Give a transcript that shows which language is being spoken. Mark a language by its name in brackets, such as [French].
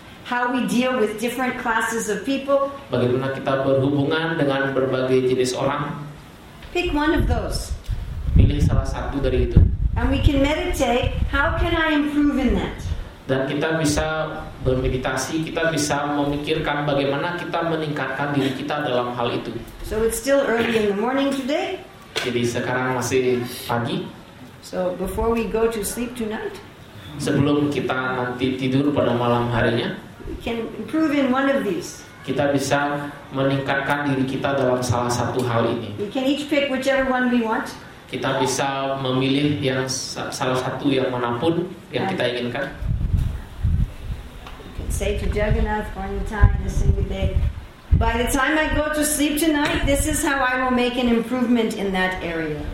[English] How we deal with different classes of people. [Indonesian] Bagaimana kita berhubungan dengan berbagai jenis orang. [English] Pick one of those. [Indonesian] Pilih salah satu dari itu. [English] And we can meditate, how can I improve in that? [Indonesian] Dan kita bisa bermeditasi, kita bisa memikirkan bagaimana kita meningkatkan diri kita dalam hal itu. [English] So it's still early in the morning today. [Indonesian] Jadi sekarang masih pagi. [English] So before we go to sleep tonight, [Indonesian] sebelum kita nanti tidur pada malam harinya, [English] we can improve in one of these. [Indonesian] Kita bisa meningkatkan diri kita dalam salah satu hal ini. [English] We can each pick whichever one we want. [Indonesian] Kita bisa memilih yang salah satu yang manapun yang kita inginkan. [English] We can say to Jagannath for any time this single day. By the time I go to sleep tonight, this is how I will make an improvement in that area.